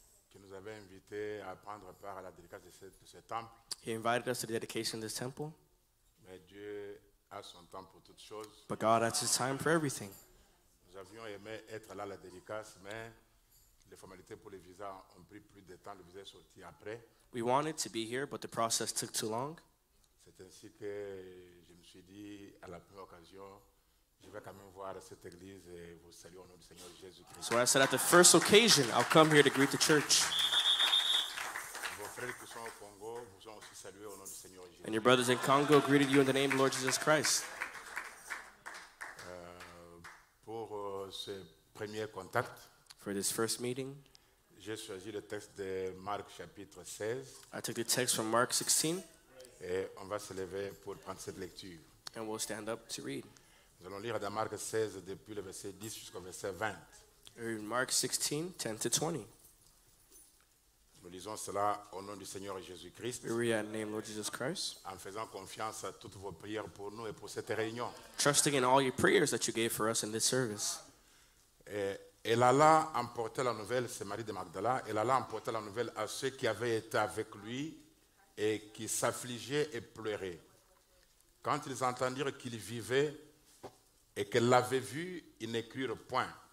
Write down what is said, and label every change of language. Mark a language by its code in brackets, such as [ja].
[fr] Qui nous avait invité à prendre part à la dédicace de ce temple. [en] He invited us to the dedication of this temple. [fr] Mais Dieu a son temps pour toutes choses. [en] But God has his time for everything. [fr] Nous avions aimé être là à la dédicace, mais les formalités pour les visas ont pris plus de temps, le visa est sorti après. [en] We wanted to be here, but the process took too long. [fr] C'est ainsi que je me suis dit à la première occasion, je vais quand même voir cette église et vous saluer au nom du Seigneur Jésus-Christ. [en] So I said at the first occasion, I'll come here to greet the church. [fr] Vos frères qui sont au Congo vous ont aussi salué au nom du Seigneur Jésus. [en] And your brothers in Congo greeted you in the name of the Lord Jesus Christ. [fr] Pour ce premier contact, [en] for this first meeting, [fr] j'ai choisi le texte de Marc chapitre 16. [en] I took the text from Mark 16. [fr] Et on va se lever pour prendre cette lecture. [en] And we'll stand up to read. [fr] Nous allons lire dans Marc 16 depuis le verset 10 jusqu'au verset 20. [en] In Mark 16, 10 to 20. [fr] Nous lisons cela au nom du Seigneur Jésus-Christ. [en] We read in the name of Jesus Christ. [fr] En faisant confiance à toutes vos prières pour nous et pour cette réunion. [en] Trusting in all your prayers that you gave for us in this service. [fr] Elle alla emporter la nouvelle, c'est Marie de Magdala, elle alla emporter la nouvelle à ceux qui avaient été avec lui et qui s'affligeaient et pleuraient. Quand ils entendirent qu'il vivait et qu'elle l'avait vu, ils ne crurent point.